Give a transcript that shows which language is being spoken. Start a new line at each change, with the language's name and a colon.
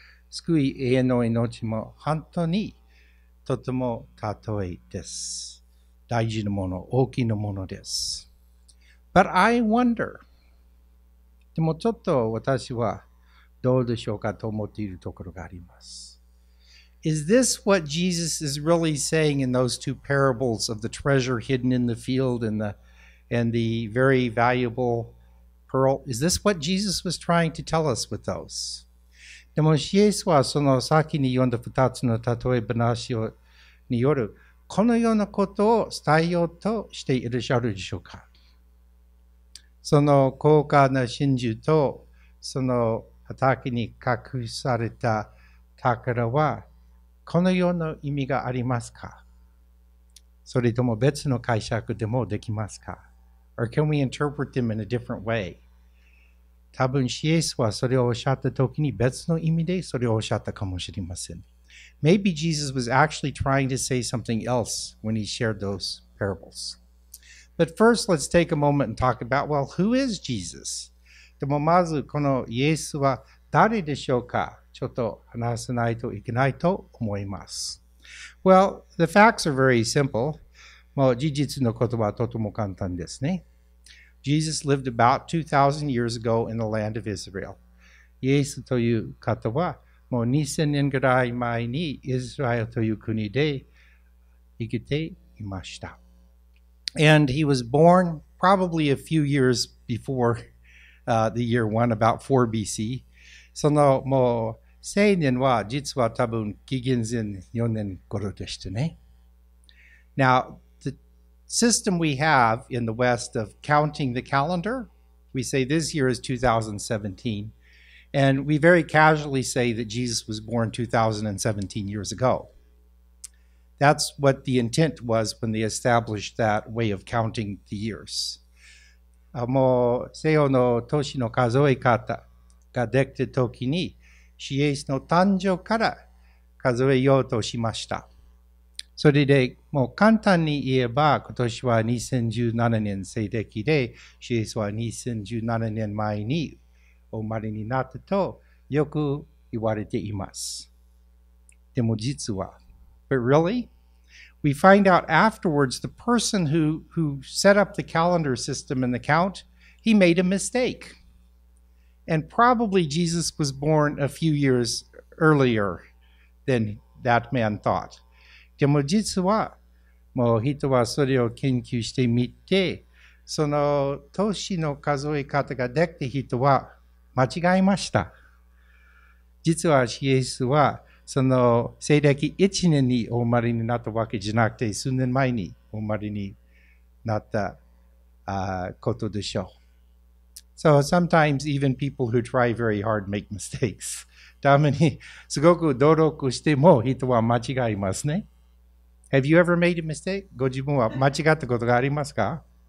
Japanese: 救い永遠の命も本当にとてもたとえです。大事なもの、大きなものです。
English: But I wonder.
Japanese: でもちょっと私はどうでしょうかと思っているところがあります。
English: Is this what Jesus is really saying in those two parables of the treasure hidden in the field and the very valuable... Pearl, is this what Jesus was trying to tell us with those?
Japanese: でも、イエスはその先に読んだ二つの例え話によるこのようなことを伝えようとしていらっしゃるでしょうか。その高価な真珠とその畑に隠された宝はこのような意味がありますか。それとも別の解釈でもできますか。
English: Or can we interpret them in a different way?
Japanese: 多分、イエスはそれをおっしゃったときに別の意味でそれをおっしゃったかもしれません。
English: Maybe Jesus was actually trying to say something else when he shared those parables. But first, let's take a moment and talk about, well, who is Jesus?
Japanese: でもまず、このイエスは誰でしょうか？ちょっと話さないといけないと思います。
English: Well, the facts are very simple.
Japanese: もう事実のことはとても簡単ですね。
English: Jesus lived about 2,000 years ago in the land of Israel.
Japanese: イエスという方はもう2000年ぐらい前にイスラエルという国で生きていました。
English: And he was born probably a few years before the year 1, about 4 BC.
Japanese: そのもう青年は実は多分紀元前4年頃でしたね。
English: Now,system we have in the West of counting the calendar. We say this year is 2017, and we very casually say that Jesus was born 2017 years ago. That's what the intent was when they established that way of counting the years.
Japanese: もう西洋の年の数え方ができた時に、イエスの誕生から数えようとしました。それでもう簡単に言えば今年は2017年西暦で、イエスは2017年前にお生まれになったとよく言われています。でも実は、
English: But really? We find out afterwards the person who set up the calendar system and the count, he made a mistake. And probably Jesus was born a few years earlier than that man thought.
Japanese: でも実は、もう人はそれを研究してみて、その年の数え方ができた人は間違いました。実はイエスは、その西暦1年にお生まれになったわけじゃなくて、数年前にお生まれになったことでしょう。
English: So sometimes even people who try very hard make mistakes.
Japanese: たまにすごく努力しても人は間違いますね。
English: Have you ever made a mistake?
Japanese: ご自分は間違ったことがありますか